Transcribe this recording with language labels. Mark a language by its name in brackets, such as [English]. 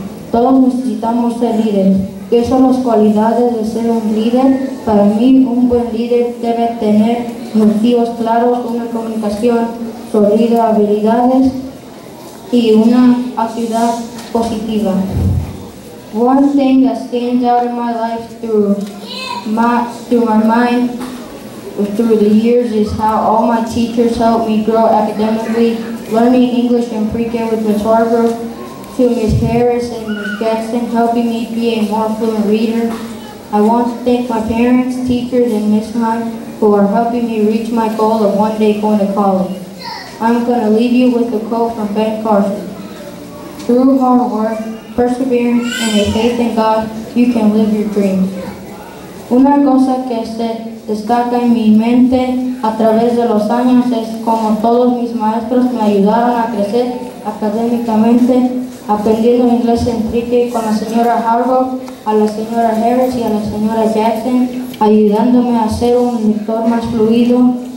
[Spanish] Todos necesitamos ser líderes. ¿Qué son las cualidades de ser un líder? Para mí, un buen líder debe tener motivos claros, una comunicación sólida, habilidades y una actitud positiva. [English] One thing that stands out in my life through the years is how all my teachers helped me grow academically, learning English in pre-K with Ms. Harbour, to Ms. Harris and Ms. Gaston helping me be a more fluent reader. I want to thank my parents, teachers, and Ms. Hunt who are helping me reach my goal of one day going to college. I'm going to leave you with a quote from Ben Carson. Through hard work, perseverance, and a faith in God, you can live your dreams. [Spanish] Una cosa que se destaca en mi mente a través de los años es como todos mis maestros me ayudaron a crecer académicamente, aprendiendo inglés en Trique con la señora Harbaugh, a la señora Harris y a la señora Jackson, ayudándome a ser un lector más fluido.